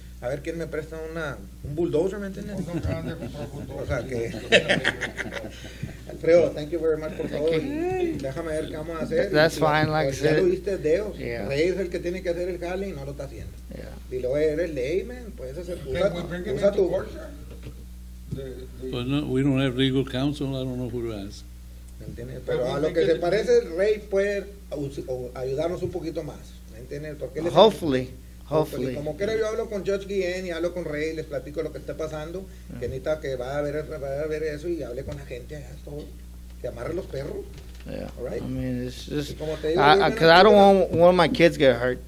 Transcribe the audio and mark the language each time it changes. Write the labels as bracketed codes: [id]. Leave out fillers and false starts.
[es] A ver quién me presta un bulldozer, ¿me entiendes? O sea que... [en] Alfredo, thank you very much for todo. [es] Déjame ver qué vamos a hacer. [en] That's fine, like I said. [es] Ya lo viste, Dios. Rey es el que tiene que hacer el jale y no lo está haciendo. Y luego eres layman, puedes hacer... Usa tu horse. [en] Well, no, we don't have legal counsel, I don't know who to ask. [es] ¿Me entiendes? Pero a lo que se parece, Rey puede... O ayudarnos un poquito más, ¿me entiendes? Porque [en] hopefully. [es] Como quiera, yo hablo con Judge Guillén y hablo con Rey, les platico lo que está pasando, que necesita que va a ver eso y hable con la gente, esto, que amarre los perros. [en] Because I don't want one of my kids get hurt.